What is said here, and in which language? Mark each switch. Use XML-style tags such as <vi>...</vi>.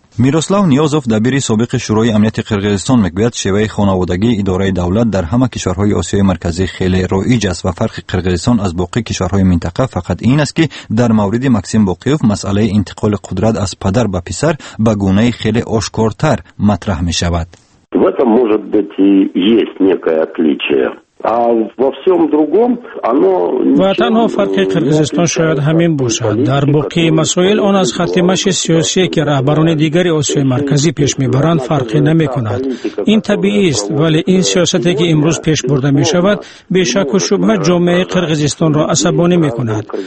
<fa>میروسلاو نیازوف دبیر سابق شورای امنیت قرغیزستان میگوید شیوه خانوادگی اداره دولت در همه کشورهای آسیای مرکزی خیلی رایج است و فرق قرغیزستان از باقی کشورهای منطقه فقط این است که در مورد مکسیم باقیف مسئله انتقال قدرت از پدر به پسر به گونه خیلی آشکارتر مطرح می شود.</fa> <ru>В этом может быть и есть некое отличие.</ru> <fa>و تنها فرق قرقیزستان شاید همین باشد. در باقی مسائل آن از ختمش سیاسی که رهبران دیگر آسیای مرکزی پیش میبرند فرقی نمی کند. این طبیعی است، ولی این سیاستی که امروز پیش برده می شود به شک و شبهه جامعه قرقیزستان را عصبانی می کند.</fa>